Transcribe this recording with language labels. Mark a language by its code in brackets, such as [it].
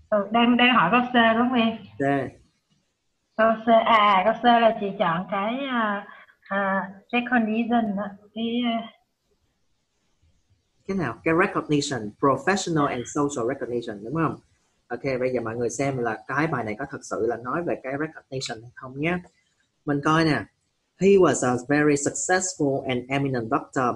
[vi] đang đang hỏi câu C đúng không em? C. Câu C câu C là chị chọn cái condition đó, Cái nào? Cái recognition, professional and social recognition, đúng không? Ok, bây giờ mọi người xem là cái bài này có thật sự là nói về cái recognition hay không nhé. Mình coi nè. [en] He was a very successful and eminent doctor.